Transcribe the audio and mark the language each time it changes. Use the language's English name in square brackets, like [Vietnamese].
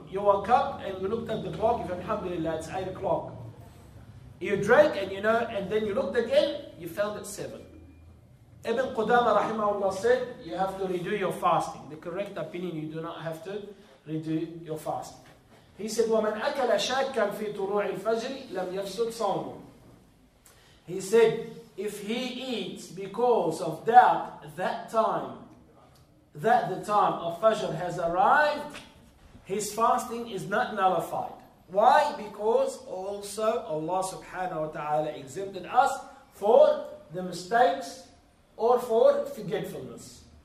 [English] You woke up and you looked at the clock, you said, alhamdulillah, it's 8 o'clock. You drank and you know, and then you looked again, you found it 7. Ibn Qudama rahimahullah said, you have to redo your fasting. The correct opinion, you do not have to redo your fasting. He said, [Arabic] وَمَنْ أَكَلَ شَاكًا فِي طُلُوعِ الْفَجْرِ لَمْ يَفْسُدْ صَوْمُهُ. [English] He said, if he eats because of doubt that time, that the time of Fajr has arrived, his fasting is not nullified. Why? Because also Allah subhanahu wa ta'ala exempted us for the mistakes or for forgetfulness.